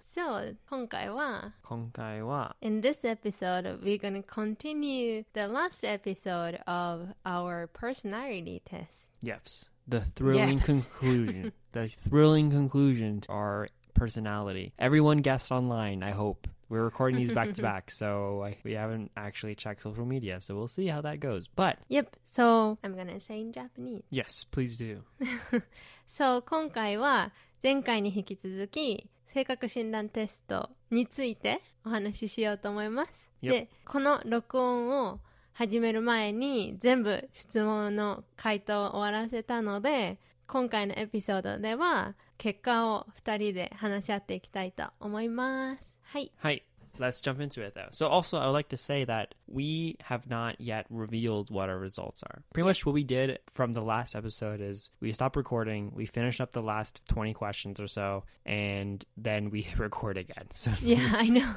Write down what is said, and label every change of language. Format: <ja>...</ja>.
<en>So,</en> <ja>今回は</ja> <en>In this episode, we're going to continue the last episode of our personality test. Yes. The thrilling yes. conclusion. The thrilling conclusion to our personality. Everyone guessed online, I hope. We're recording these back to back, so we haven't actually checked social media, so we'll see how that goes. But yep, so I'm gonna say in Japanese. Yes, please do.</en> <ja>So, 今回は前回に引き続き性格診断テストについてお話ししようと思います。</ja> <en>Yep.</en> <ja>で、この録音を始める前に全部質問の回答を終わらせたので、今回のエピソードでは結果を2人で話し合っていきたいと思います。</ja> <en>Hi. Hi. Let's jump into it though. So also, I would like to say that we have not yet revealed what our results are. Pretty much what we did from the last episode is we stopped recording, we finished up the last 20 questions or so, and then we record again. So yeah, I know.</en>